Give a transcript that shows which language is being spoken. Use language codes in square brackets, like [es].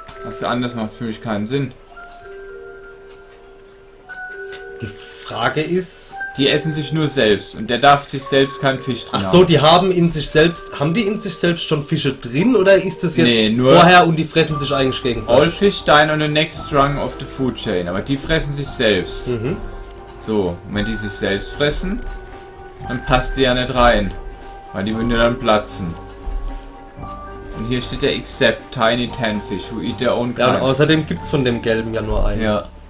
[de] Was anders macht für mich keinen Sinn. Die Frage ist... Die essen sich nur selbst und der darf sich selbst keinen Fisch drin haben. Ach so, die haben in sich selbst... Haben die in sich selbst schon Fische drin oder ist das jetzt vorher und die fressen sich eigentlich gegenseitig? [en] All fish dine on the next rung of the food chain. [de] Aber die fressen sich selbst. Mhm. So, und wenn die sich selbst fressen, dann passt die ja nicht rein. Weil die würden ja dann platzen. Und hier steht ja [en] except tiny ten fish who eat their own [de] kind. Ja, und außerdem gibt's von dem gelben ja nur einen. Ja.